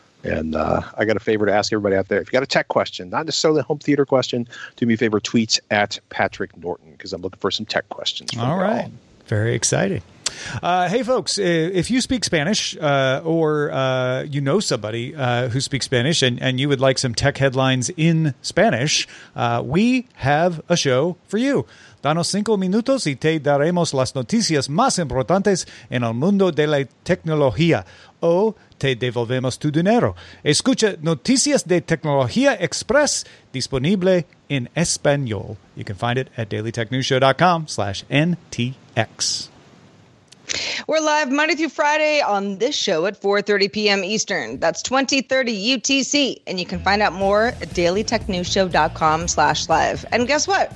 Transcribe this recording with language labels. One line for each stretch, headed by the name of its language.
English: And I got a favor to ask everybody out there. If you got a tech question, not necessarily a home theater question, do me a favor, tweet at Patrick Norton, because I'm looking for some tech questions. All right. Very exciting. Hey, folks, if you speak Spanish you know somebody who speaks Spanish and you would like some tech headlines in Spanish, we have a show for you.
Spanish: Danos cinco minutos y te daremos las noticias más importantes en el mundo de la tecnología o te devolvemos tu dinero. Escucha Noticias de Tecnología Express, disponible en español.
English: You can find it at dailytechnewsshow.com/NTX. We're live Monday through Friday on this show at 4:30 p.m. Eastern. That's 20:30 UTC. And you can find out more at dailytechnewsshow.com/live. And guess what?